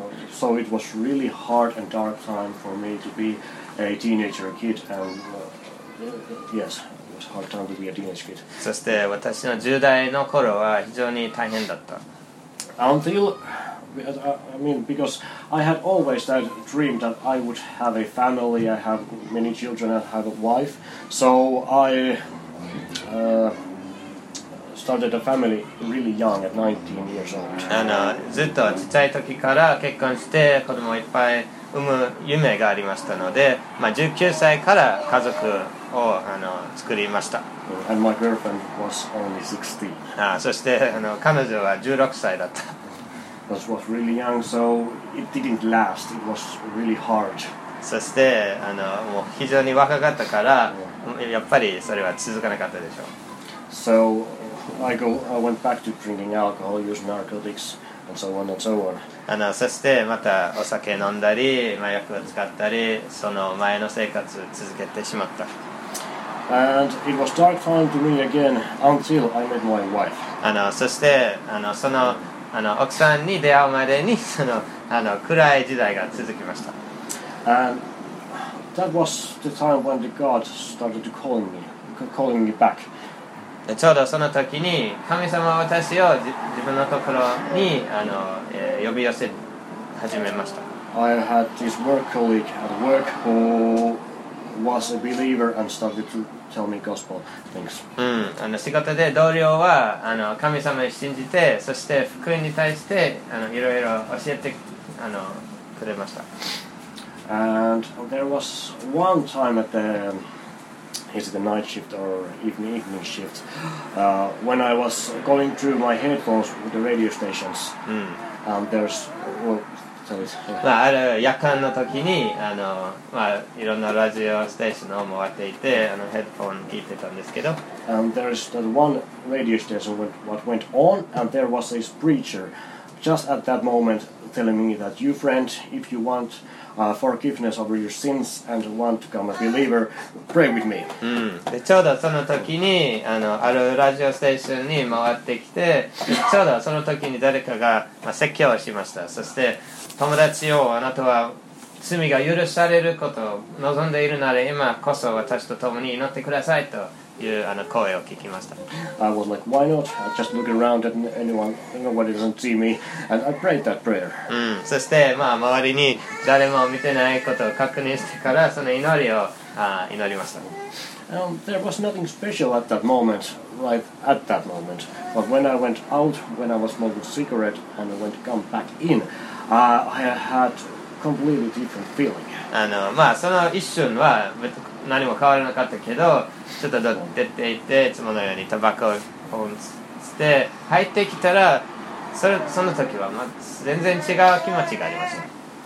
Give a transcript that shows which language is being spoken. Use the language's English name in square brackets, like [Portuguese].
[English] So it was really hard and dark time for me to be a teenager kid and yes, it was hard time to be a teenage kid. [Japanese] そして私の10代の頃は非常に大変だった。 [English] Because I had always that dream that I would have a family, I have many children, I have a wife. So I started a family really young at 19 years old. [Japanese] ずっと小さい時から結婚して子供いっぱい産む夢がありましたので、まあ、19歳から家族を作りました。 [English] And my girlfriend was only 16. [Japanese] そして彼女は16歳だった。 [English] That was really young, so it didn't last. It was really hard. [Japanese] そしてもう非常に若かったから、yeah. やっぱりそれは続かなかったでしょう。 [English] So I went back to drinking alcohol, using narcotics, and so on and so on. [Japanese] そしてまたお酒飲んだり、麻薬を使ったり、その前の生活を続けてしまった。 [English] And it was dark time to me again until I met my wife. [Japanese] そしてその奥さんに出会うまでにその暗い時代が続きました。 [English] That was the time when the God started to calling me back. [Japanese] ちょうどその時に神様は私を自分のところに呼び寄せ始めました。 [English] I had this work colleague at work who was a believer and started to tell me gospel things. [Japanese] 仕事で同僚は神様を信じて、そして福音に対していろいろ教えてくれました。 [English] And there was one time at the is it the night shift or evening shift when I was going through my headphones with the radio stations、and there's well, [Japanese] ある夜間の時にいろんなラジオステーションを回っていてヘッドホン聞いてたんですけど、 [English] and there is that one radio station what went on and there was this preacher just at that momentTelling me that you friend, if you want forgiveness over your sins and want to become a believer, pray with me.、 [Japanese] でちょうどその時にあるラジオステーションに回ってきて、ちょうどその時に誰かが、説教をしました。そして友達よ、あなたは罪が許されることを望んでいるなら今こそ私と共に祈ってくださいと。いう声を聞きました。 [English] I was like, why not? I just look around at anyone, nobody doesn't see me, and I prayed that prayer. [Japanese] そして周りに誰も見てないことを確認してからその祈りを祈りました。 [English] There was nothing special at that moment, right at that moment. But when I went out, when I was smoking a cigarette, and I went to come back in, I had completely different feeling. [Japanese] その一瞬は何も変わらなかったけど、ちょっと出て行って、いつものようにタバコを吸って、入ってきたら、その時は全然違う気持ちがありました。